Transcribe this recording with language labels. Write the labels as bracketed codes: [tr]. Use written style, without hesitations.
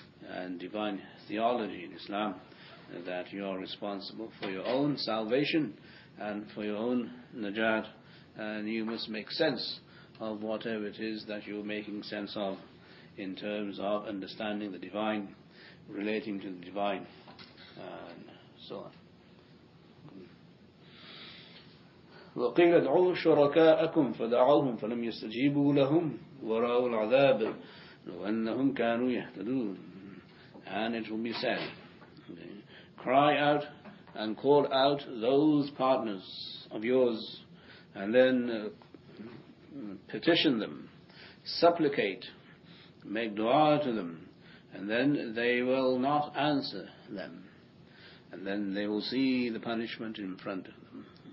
[en] and divine theology in Islam, that you are responsible for your own salvation and for your own najat, and you must make sense of whatever it is that you're making sense of in terms of understanding the divine, relating to the divine, and so on. [ar] وقيل ادعوا شركاءكم فدعوهم فلم يستجيبوا لهم ورأوا العذاب لو أنهم كانوا يهتدون. [en] And it will be said, cry out and call out those partners of yours, and then petition them, supplicate, make dua to them, and then they will not answer them, and then they will see the punishment in front of them.